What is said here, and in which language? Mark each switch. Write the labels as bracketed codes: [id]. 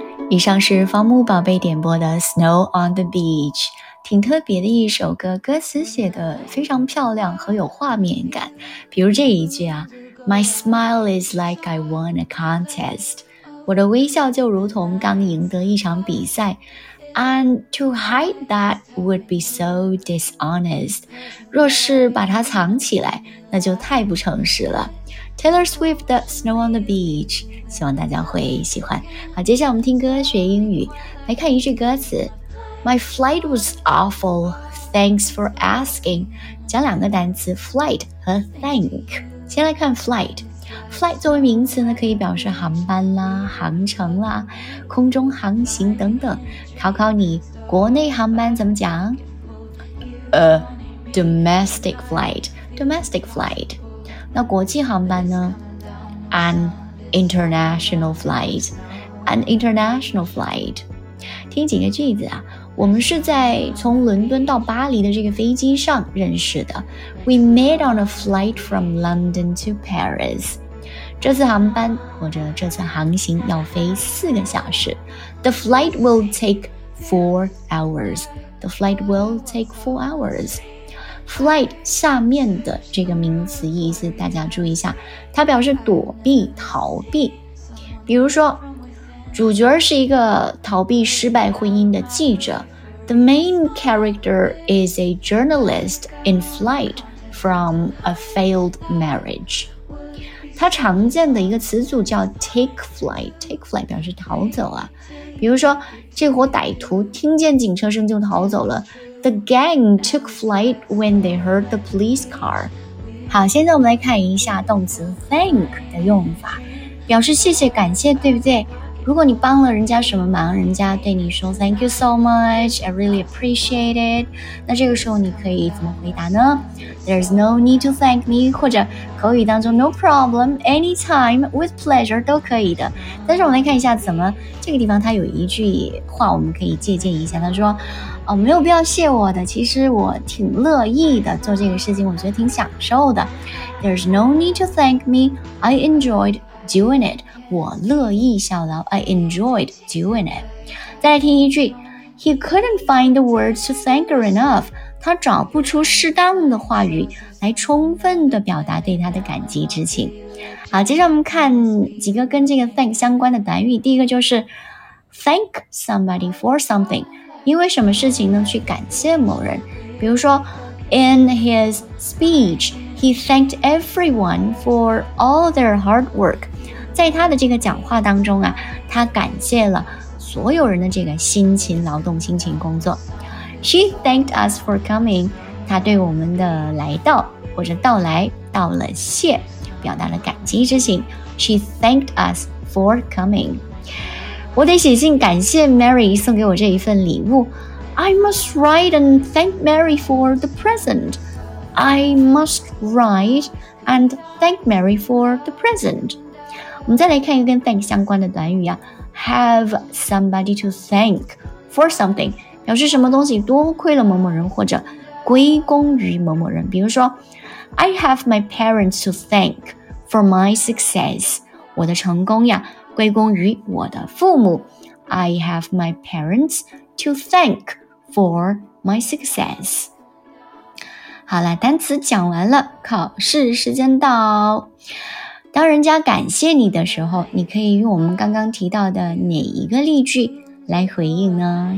[zh] 以上是方木宝贝点播的 Snow on the Beach， 挺特别的一首歌，歌词写得非常漂亮和有画面感。比如这一句啊， [en] My smile is like I won a contest， [zh] 我的微笑就如同刚赢得一场比赛。 [en] And to hide that would be so dishonest. [zh] 若是把它藏起来，那就太不诚实了。 Taylor Swift 的 Snow on the Beach， 希望大家会喜欢。好，接下来我们听歌学英语，来看一句歌词。 [en] My flight was awful. Thanks for asking. [zh] 讲两个单词 [en] flight 和 thank。 [zh] 先来看 flight。 Flight 作为名词呢，可以表示航班啦、航程啦、空中航行等等。考考你，国内航班怎么讲？ [en] Domestic flight. Domestic flight. [zh] 那国际航班呢？ [en] An international flight. An international flight. [zh] 听几个句子啊。我们是在从伦敦到巴黎的这个飞机上认识的。 [en] We met on a flight from London to Paris. [zh] 这次航班或者这次航行要飞四个小时。 [en] The flight will take 4 hours. The flight will take 4 hours. [zh] Flight 下面的这个名词意思大家注意一下，它表示躲避、逃避。比如说主角是一个逃避失败婚姻的记者。 [en] The main character is a journalist in flight from a failed marriage. [zh] 它常见的一个词组叫 take flight. Take flight 表示逃走啊。比如说这伙歹徒听见警车声就逃走了。 [en] The gang took flight when they heard the police car. [zh] 好，现在我们来看一下动词 thank 的用法。表示谢谢感谢，对不对？如果你帮了人家什么忙，人家对你说 [en] Thank you so much, I really appreciate it. [zh] 那这个时候你可以怎么回答呢？ [en] There's no need to thank me. [zh] 或者口语当中 [en] No problem, anytime, with pleasure [zh] 都可以的。但是我们来看一下怎么，这个地方它有一句话我们可以借鉴一下。他说哦，没有必要谢我的，其实我挺乐意的，做这个事情我觉得挺享受的。 [en] There's no need to thank me, I enjoyed doing it. [zh] 我乐意效劳 [en] I enjoyed doing it. [zh] 再来听一句 [en] He couldn't find the words to thank her enough. [zh] 他找不出适当的话语来充分地表达对她的感激之情。好，接着我们看几个跟这个 thank 相关的短语。第一个就是 thank somebody for something. 因为什么事情呢去感谢某人。比如说 [en] In his speech, he thanked everyone for all their hard work. [zh] 在他的这个讲话当中啊，他感谢了所有人的这个辛勤劳动、辛勤工作。 [en] She thanked us for coming. [zh] 他对我们的来到或者到来道了谢，表达了感激之情。 [en] She thanked us for coming. [zh] 我得写信感谢 Mary 送给我这一份礼物。 [en] I must write and thank Mary for the present. I must write and thank Mary for the present. [zh] 我们再来看一个跟 thank 相关的短语啊 ， [en] have somebody to thank for something， [zh] 表示什么东西多亏了某某人或者归功于某某人。比如说 ， [en] I have my parents to thank for my success， [zh] 我的成功呀归功于我的父母。 [en] I have my parents to thank for my success。 [zh] 好了，单词讲完了，考试时间到。当人家感谢你的时候，你可以用我们刚刚提到的哪一个例句来回应呢？